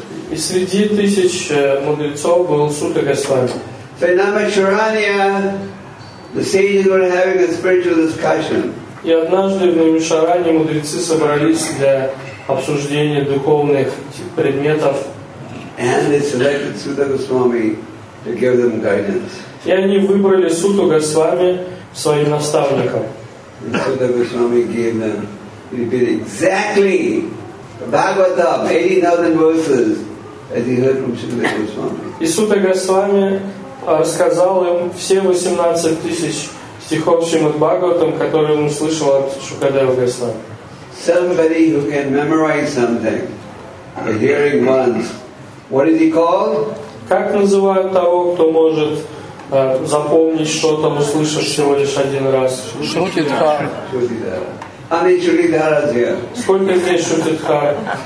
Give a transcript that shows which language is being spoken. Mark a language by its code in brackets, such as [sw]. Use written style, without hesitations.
[ru] И среди тысяч мудрецов был Сута Госвами. [en] So in Namisharanya, the sages were having a spiritual discussion. [ru] И однажды в Намишаране мудрецы собрались для обсуждения духовных предметов. [en] And they selected Sutta Goswami to give them guidance. [ru] И они выбрали Сутту Госвами своим наставником. [en] And Sutta Goswami gave them, he repeated exactly the Bhagavatam, 80,000 verses, as he heard from Sutta Goswami. [ru] И Сутта Госвами рассказал им все 18 тысяч стихов Шримад Бхагаватам, которые он услышал от Шукадева Госвами. [en] Somebody who can memorize something, a hearing once. What is he called? [ru] Как называют того, кто может запомнить что-то, услышав всего лишь один раз? Шрутидхара. [en] How many Шрутидхара is here? [ru] Сколько здесь Шрутидхара?